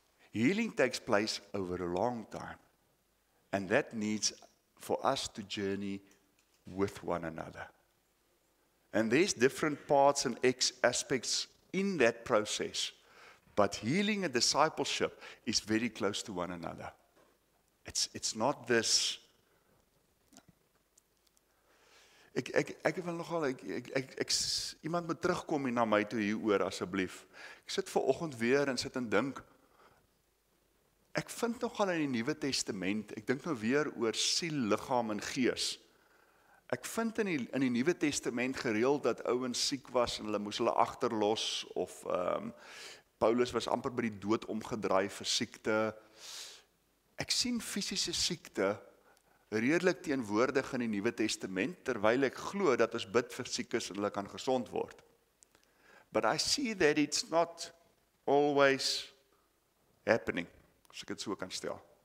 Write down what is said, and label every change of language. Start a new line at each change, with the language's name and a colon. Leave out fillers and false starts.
English: Healing takes place over a long time, and that needs for us to journey with one another. And there's different parts and aspects in that process, but healing and discipleship is very close to one another. It's not this.
Afrikaans: Ek wil nogal iemand moet terugkom hier na my toe hier oor asseblief. Ek sit ver oggend weer en sit en dink. Ek vind nogal in die Nuwe Testament, ek dink nou weer oor siel, liggaam en gees. Ek vind in die Nuwe Testament gereeld dat ouens siek was en hulle moes hulle agterlos of Paulus was amper by die dood omgedraai vir siekte. Ek sien fisiese siekte redelik teenwoordig in die Nuwe Testament, terwyl ek glo dat ons bid vir siekes en hulle kan gesond word.
English: But I see that it's not always happening,
Afrikaans: as ek het so kan stel.